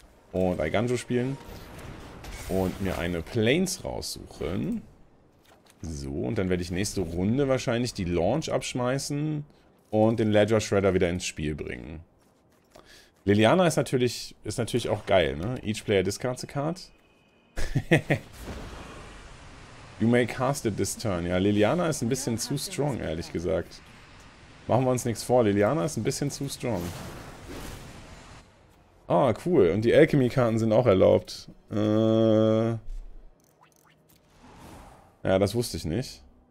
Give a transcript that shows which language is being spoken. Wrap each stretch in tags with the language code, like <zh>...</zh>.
<de>Und Iganjo spielen. Und mir eine Plains raussuchen. So, und dann werde ich nächste Runde wahrscheinlich die Launch abschmeißen. Und den Ledger Shredder wieder ins Spiel bringen. Liliana ist natürlich auch geil, ne?</de> <en>Each player discards a card. You may cast it this turn.</en> <de>Ja, Liliana ist ein bisschen zu strong, ehrlich gesagt. Machen wir uns nichts vor. Liliana ist ein bisschen zu strong. Ah, oh, cool. Und die Alchemy-Karten sind auch erlaubt. Ja, das wusste ich nicht.</de>